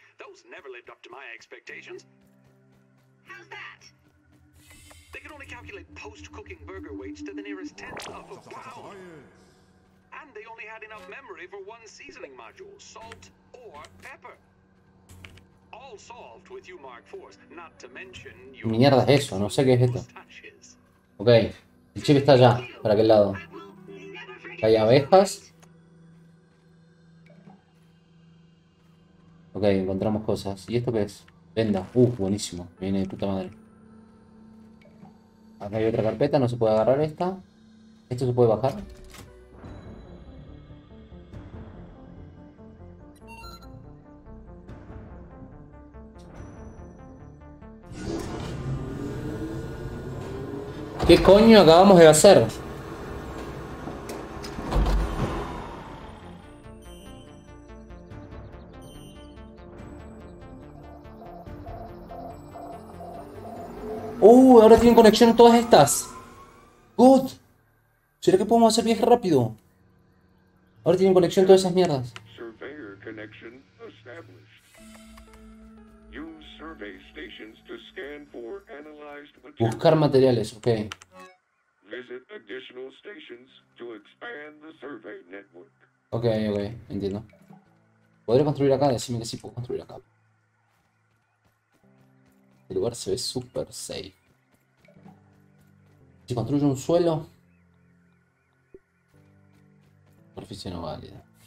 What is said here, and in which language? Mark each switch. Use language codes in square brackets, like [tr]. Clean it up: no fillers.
[en] Those never lived up to my expectations. How's that? They can only calculate post-cooking burger weights to the nearest tenth of a pound. And they only had enough memory for one seasoning module, salt or pepper. All solved with you Mark IVs, not to mention your [es] mierda es eso, no sé qué es esto. [en] Mustaches. [es] Okay, el chip está allá, ¿para aquel lado? Hay abejas. Ok, encontramos cosas. ¿Y esto qué es? Venda. Buenísimo. Viene de puta madre. Acá hay otra carpeta. No se puede agarrar esta. ¿Esto se puede bajar? ¿Qué coño acabamos de hacer? Ahora tienen conexión todas estas. Good. ¿Será que podemos hacer viaje rápido? Ahora tienen conexión todas esas mierdas. [en] Surveyor connection established. Use survey stations to scan for analyzed [es] Buscar materiales, ok. [en] Visit additional stations to expand the survey network. [es] Ok, entiendo. ¿Podré construir acá? Decime que sí puedo construir acá. El lugar se ve súper safe. Si construyo un suelo, superficie no válida.